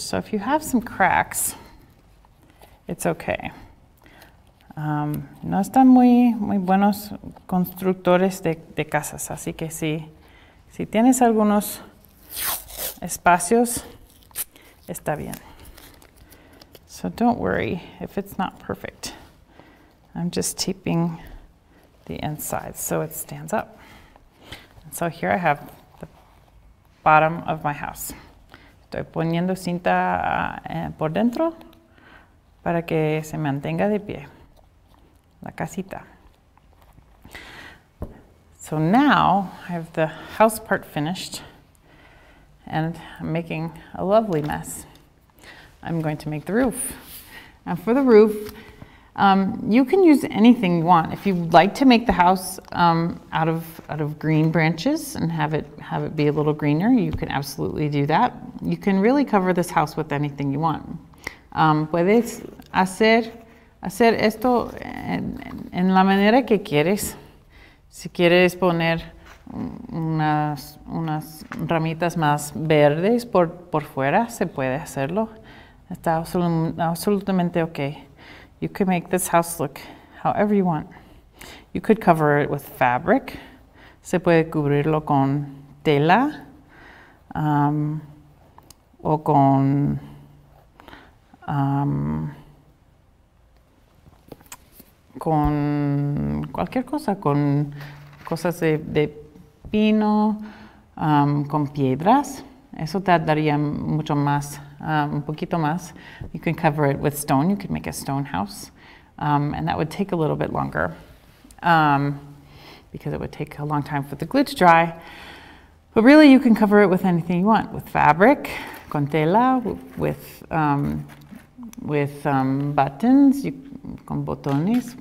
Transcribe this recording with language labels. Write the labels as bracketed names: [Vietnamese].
[English] So if you have some cracks, it's okay. [Spanish] No están muy buenos constructores de casas, así que si tienes algunos espacios, está bien. [English] So don't worry if it's not perfect. I'm just taping the inside so it stands up. And so here I have the bottom of my house. [Spanish] Estoy poniendo cinta por dentro para que se mantenga de pie. La casita. [English] So now I have the house part finished and I'm making a lovely mess. I'm going to make the roof. And for the roof, you can use anything you want. If you'd like to make the house out of green branches and have it be a little greener, you can absolutely do that. You can really cover this house with anything you want. [Spanish] Puedes hacer esto en la manera que quieres. Si quieres poner unas ramitas más verdes por fuera, se puede hacerlo. Está absolutamente okay. [English] You can make this house look however you want. You could cover it with fabric, [Spanish] Se puede cubrirlo con tela o con con cualquier cosa, con cosas de pino, con piedras. Eso te daría mucho más, un poquito más. [English] You can cover it with stone. You could make a stone house. And that would take a little bit longer because it would take a long time for the glue to dry. But really, you can cover it with anything you want, with fabric, [Spanish] con tela, [English] with buttons, [Spanish] con botones.